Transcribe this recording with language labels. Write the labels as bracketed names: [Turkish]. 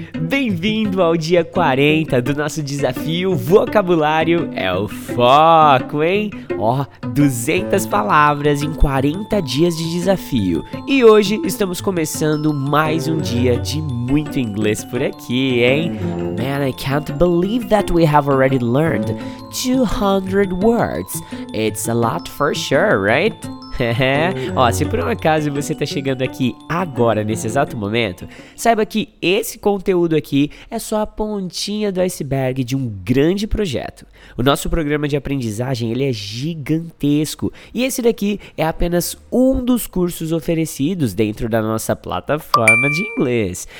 [Portuguese] Bem-vindo ao dia 40 do nosso desafio Vocabulário é o Foco, hein? Ó, 200 palavras em 40 dias de desafio. E hoje estamos começando mais um dia de muito inglês por aqui, hein? [English] Man, I can't believe that we have already learned 200 words. It's a lot for sure, right? [Portuguese] Ó, se por um acaso você tá chegando aqui agora, nesse exato momento, saiba que esse conteúdo aqui é só a pontinha do iceberg de um grande projeto. O nosso programa de aprendizagem, ele é gigantesco. E esse daqui é apenas um dos cursos oferecidos dentro da nossa plataforma de inglês.